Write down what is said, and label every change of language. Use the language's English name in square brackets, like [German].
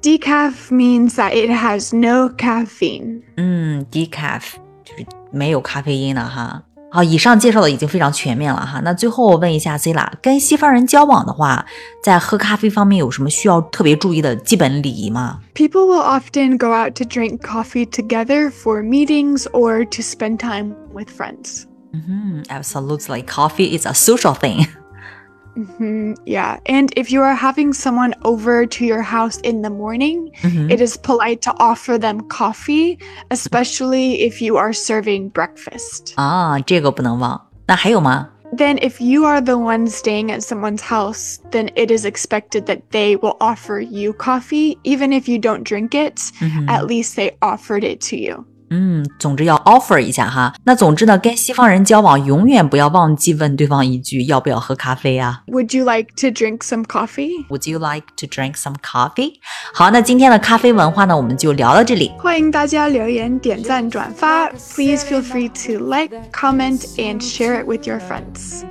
[English] Decaf means that it has no caffeine. [Chinese] Decaf 就是没有咖啡因的哈。好，以上介绍的已经非常全面了哈。那最后问一下 Zila， 跟西方人交往的话，在喝咖啡方面有什么需要特别注意的基本礼仪吗？ [English] People will often go out to drink coffee together for meetings or to spend time with friends. Absolutely. Coffee is a social thing. Yeah. And if you are having someone over to your house in the morning, it is polite to offer them coffee, especially if you are serving breakfast. [Chinese] 啊，这个不能忘。那还有吗？ [English] Then if you are the one staying at someone's house, then it is expected that they will offer you coffee, even if you don't drink it, at least they offered it to you. [Chinese] 总之要 offer 一下哈。那总之呢，跟西方人交往永远不要忘记问对方一句要不要喝咖啡啊。 [English] Would you like to drink some coffee? Would you like to drink some coffee? [Chinese] 好，那今天的咖啡文化呢，我们就聊到这里。欢迎大家留言、点赞、转发。 [English] Please feel free to like, comment, and share it with your friends.